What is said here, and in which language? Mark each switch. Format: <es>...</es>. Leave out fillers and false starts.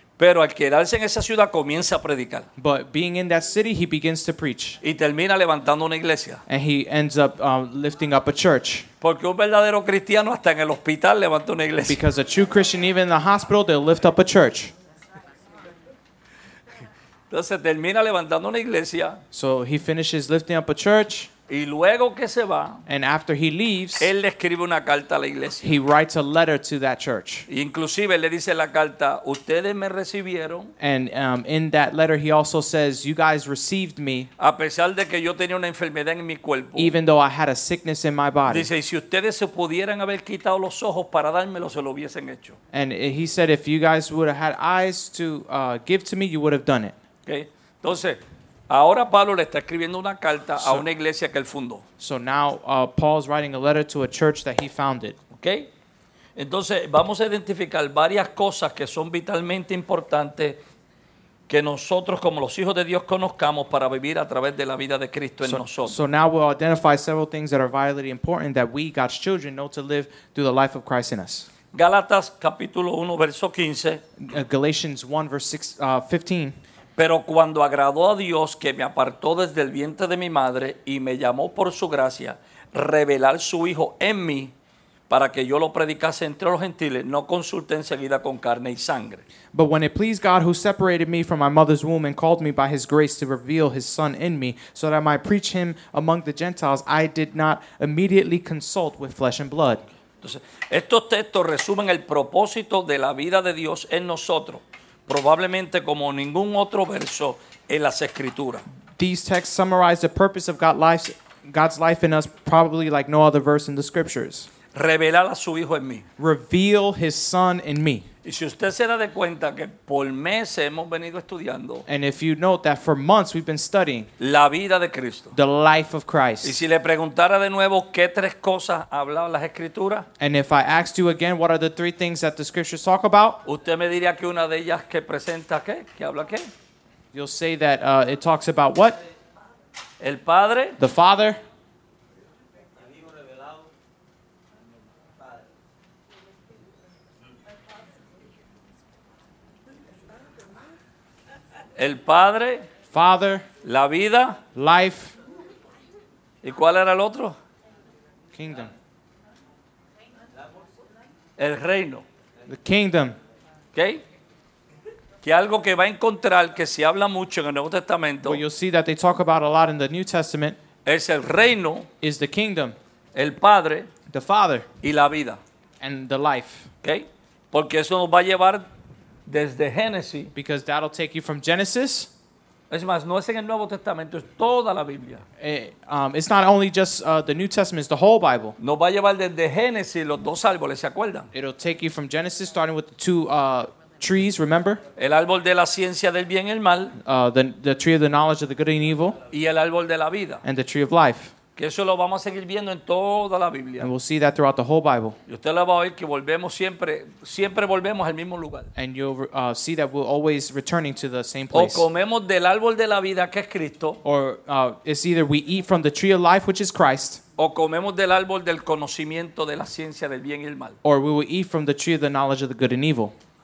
<es>Pero al quedarse en esa ciudad comienza a predicar.</es> <en>But being in that city, he begins to preach.</en> <es>Y termina levantando una iglesia.</es> <en>And he ends up lifting up a church.</en> <es>Porque un verdadero cristiano hasta en el hospital levanta una iglesia.</es> <en>Because a true Christian, even in the hospital, they'll lift up a church.</en> <es>Entonces termina levantando una iglesia.</es> <en>So he finishes lifting up a church.</en> <es>Y luego que se va,</es> <en>and after he leaves,</en> <es>él le escribe una carta a la iglesia.</es> <en>He writes a letter to that church.</en> <es>Inclusive le dice la carta, ustedes me recibieron.</es> <en>And in that letter he also says, you guys received me.</en> <es>A pesar de que yo tenía una enfermedad en mi cuerpo.</es> <en>Even though I had a sickness in my body.</en> <es>Dice, y si ustedes se pudieran haber quitado los ojos para dármelo, se lo hubiesen hecho.</es> <en>And he said, if you guys would have had eyes to give to me, you would have done it. Okay.</en> <es>Entonces, ahora Pablo le está escribiendo una carta a una iglesia que él fundó.</es> <en>So now Paul's writing a letter to a church that he founded. Okay.</en> <es>Entonces, vamos a identificar varias cosas que son vitalmente importantes que nosotros como los hijos de Dios conozcamos para vivir a través de la vida de Cristo en nosotros.</es> <en>So now we'll identify several things that are vitally important that we, God's children, know to live through the life of Christ in us.</en> <es>Gálatas capítulo 1, verso 15.</es> <en>Galatians 1, verse 15.</en> <es>Pero cuando agradó a Dios que me apartó desde el vientre de mi madre y me llamó por su gracia, revelar su Hijo en mí, para que yo lo predicase entre los gentiles, no consulté enseguida con carne y sangre.</es> <en>But when it pleased God who separated me from my mother's womb and called me by his grace to reveal his son in me, so that I might preach him among the Gentiles, I did not immediately consult with flesh and blood.</en> <es>Entonces, estos textos resumen el propósito de la vida de Dios en nosotros, probablemente como ningún otro verso en las Escrituras.</es> <en>These texts summarize the purpose of God's life in us, probably like no other verse in the Scriptures.</en> <es>Revelar a su hijo en mí.</es> <en>Reveal his son in me.</en> <es>Y si usted se da de cuenta que por meses hemos venido estudiando.</es> <en>And if you note that for months we've been studying.</en> <es>La vida de Cristo.</es> <en>The life of Christ.</en> <es>Y si le preguntara de nuevo qué tres cosas hablaban las Escrituras.</es> <en>And if I asked you again what are the three things that the Scriptures talk about.</en> <es>Usted me diría que una de ellas que presenta qué, que habla qué.</es> <en>You'll say that it talks about what?</en> <es>El Padre.</es> <en>The Father.</en> <es>El Padre,</es> <en>Father,</en> <es>la vida,</es> <en>life.</en> <es>¿Y cuál era el otro?</es> <en>Kingdom.</en> <es>El reino.</es> <en>The kingdom. ¿Okay?</en> <es>Que algo que va a encontrar que se habla mucho en el Nuevo Testamento.</es> <en>Well, you'll see that they talk about a lot in the New Testament.</en> <es>Es el reino,</es> <en>is the kingdom.</en> <es>El Padre,</es> <en>the Father,</en> <es>y la vida,</es> <en>and the life. ¿Okay?</en> <es>Porque eso nos va a llevar desde Génesis.</es> <en>Because that'll take you from Genesis.</en> <es>Es más, no es en el Nuevo Testamento, es toda la Biblia.</es> <en>It's not only just the New Testament, it's the whole Bible.</en> <es>Nos va a llevar desde Génesis los dos árboles, ¿se acuerdan?</es> <en>It'll take you from Genesis, starting with the two trees, remember?</en> <es>El árbol de la ciencia del bien y el mal.</es> <en>The tree of the knowledge of the good and evil.</en> <es>Y el árbol de la vida.</es> <en>And the tree of life.</en> <es>Que eso lo vamos a seguir viendo en toda la Biblia.</es> <en>And we'll see that throughout the whole Bible.</en> <es>Y usted lo va a oír que volvemos siempre, siempre volvemos al mismo lugar.</es> <en>And you'll see that we're always returning to the same place.</en> <es>O comemos del árbol de la vida que es Cristo.</es> <en>Or it's either we eat from the tree of life, which is Christ.</en> <es>O comemos del árbol del conocimiento de la ciencia del bien y el mal.</es> <en>Or we will eat from the tree of the knowledge of the good and evil.</en>